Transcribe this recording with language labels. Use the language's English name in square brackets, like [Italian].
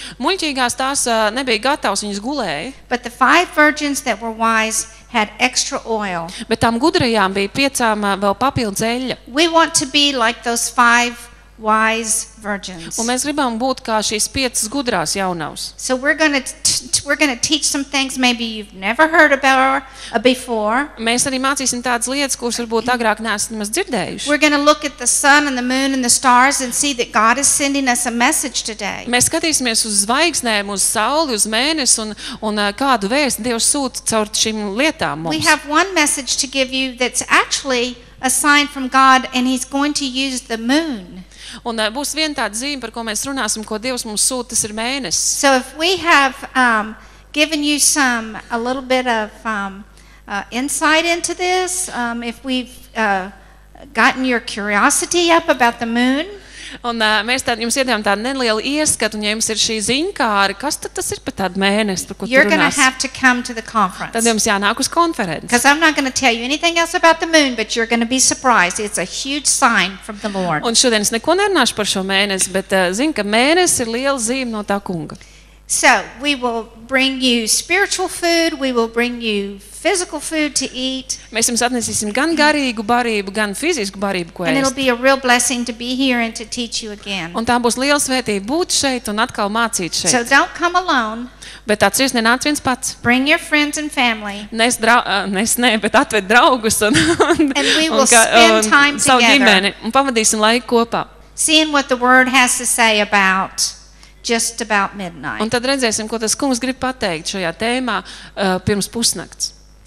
[Latvian] Muļķīgās tās nebija gatavas, viņas gulēja. [English] But the 5 virgins that were wise had extra oil. [Latvian] Bet tām gudrajām bija piecām vēl papildus eļļa. [English] We want to be like those 5 wise virgins. [Latvian] Un mēs gribam būt kā šīs 5 gudrās jaunavas. [English] So we're going to teach some things maybe you've never heard about before. [Latvian] Mēs arī mācīsim tādas lietas, kuras varbūt agrāk neesam dzirdējuši. [English] We're going to look at the sun and the moon and the stars and see that God is sending us a message today. [Latvian] Mēs skatīsimies uz zvaigznēm, uz sauli, uz mēnesi un kādu vēstu Dievs sūta caur šīm lietām mums. [English] We have one message to give you that's actually a sign from God and he's going to use the moon. [Latvian] Un būs viena tāda zīme, par ko mēs runāsim, ko Dievs mums sūta, tas ir mēnesis. [English] So if we have given you a little bit of insight into this, if we've gotten your curiosity up about the moon. [Latvian] Un mēs tad jums iedām tādu nelielu ieskatu, un ja jums ir šī ziņkāra, kas tad tas ir par tādu mēnesi, par ko [English] you're [Latvian] tu runās? [English] You're going to have to come to the conference. [Latvian] Tad jums jānāk uz konferenci. [English] Because I'm not going to tell you anything else about the moon, but you're going to be surprised. It's a huge sign from the Lord. [Latvian] Un šodien es neko nerunāšu par šo mēnesi, bet zinu, ka mēnesis ir liela zīme no tā kunga. [English] So, we will bring you spiritual food, we will bring you physical food to eat. [Latvian] Mēs jums atnesīsim gan garīgu barību, gan fizisku barību, ko ēst. [English] And it'll be a real blessing to be here and to teach you again. [Latvian] Un tā būs liela svētība būt šeit un atkal mācīt šeit. [English] So don't come alone. [Latvian] Bet atcerieties, nenāc viens pats. [English] Bring your friends and family. [Latvian] Bet atved draugus un savu ģimeni. Un pavadīsim laiku kopā. [English] Seeing what the word has to say about just about midnight. [Latvian] Un tad redzēsim, ko tas kungs grib pateikt šajā tēmā pirms pusnakts.